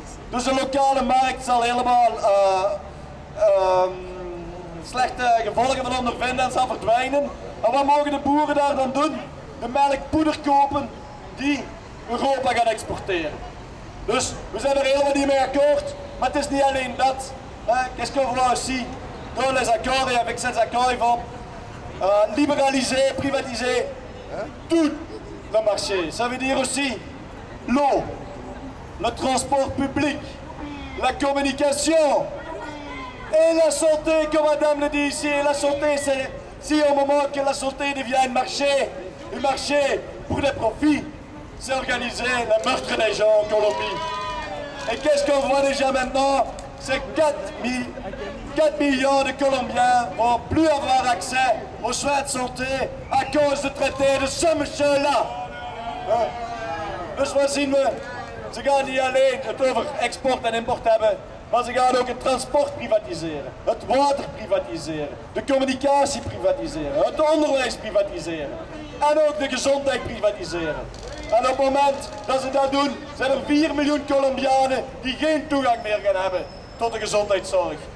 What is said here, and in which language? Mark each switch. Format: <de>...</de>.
<nl>Dus de lokale markt zal helemaal slechte gevolgen van ondervinden en zal verdwijnen. En wat mogen de boeren daar dan doen? De melkpoeder kopen die Europa gaat exporteren. Dus we zijn er helemaal niet mee akkoord, maar het is niet alleen dat.</nl> <fr>Qu'est-ce qu'on voit aussi? Dans les accords, avec ces accords, ils vont libéraliser, privatiser tout le marché. Ça veut dire aussi l'eau, le transport public, la communication et la santé, comme madame le dit ici. La santé, c'est si au moment que la santé devient un marché pour des profits, c'est organiser le meurtre des gens en Colombie. Et qu'est-ce qu'on voit déjà maintenant? C'est 4 millions de Colombiens vont plus avoir accès aux soins de santé à cause du traité de ce monsieur-là.</fr> <nl>Dus wat zien we? Ze gaan niet alleen het over export en import hebben, maar ze gaan ook het transport privatiseren, het water privatiseren, de communicatie privatiseren, het onderwijs privatiseren en ook de gezondheid privatiseren. En op het moment dat ze dat doen, zijn er 4 miljoen Colombianen die geen toegang meer gaan hebben tot de gezondheidszorg.</nl>